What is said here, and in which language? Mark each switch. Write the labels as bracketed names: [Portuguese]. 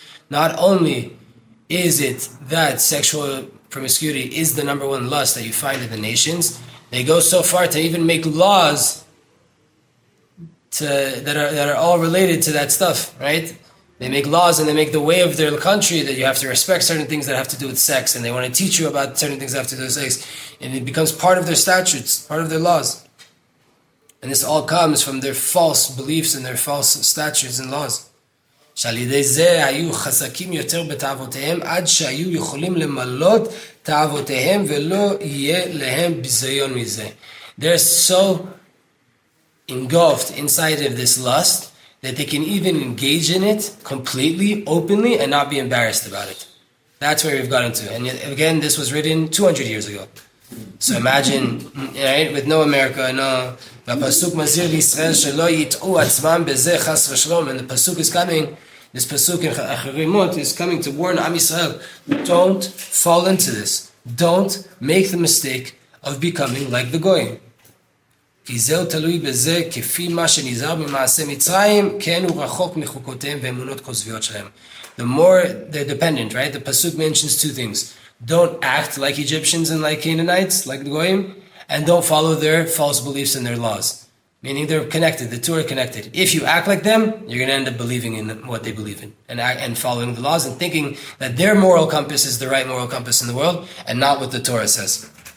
[English] Not only is it that sexual promiscuity is the number one lust that you find in the nations, they go so far to even make laws that are all related to that stuff, right? They make laws and they make the way of their country that you have to respect certain things that have to do with sex, and they want to teach you about certain things that have to do with sex, and it becomes part of their statutes, part of their laws. And this all comes from their false beliefs and their false statutes and laws. [Hebrew] שעלידי זה היו חזקים יותר בתאבותיהם עד שהיו יכולים למלות תאבותיהם ולא יהיה להם ביזיון מזה. [English] They're so engulfed inside of this lust that they can even engage in it completely, openly, and not be embarrassed about it. That's where we've gotten to. And again, this was written 200 years ago. So imagine, right, with no America, no. [Hebrew] והפסוק מזהיר לישראל שלא יטעו עצמם בזה חס ושלום. [English] And the pasuk is coming, this pasuk in Achrei Mot is coming to warn Am Yisrael, don't fall into this. Don't make the mistake of becoming like the goyim. [Hebrew] כי זהו תלוי בזה, כפי מה שנזהר במעשה מצרים, כן הוא רחוק מחוקותיהם ואמונות כוזביות שלהם. [English] The more they're dependent, right? The pasuk mentions two things. Don't act like Egyptians and like Canaanites, like the goyim, and don't follow their false beliefs and their laws. Meaning they're connected, the two are connected. If you act like them, you're going to end up believing in what they believe in and following the laws and thinking that their moral compass is the right moral compass in the world and not what the Torah says.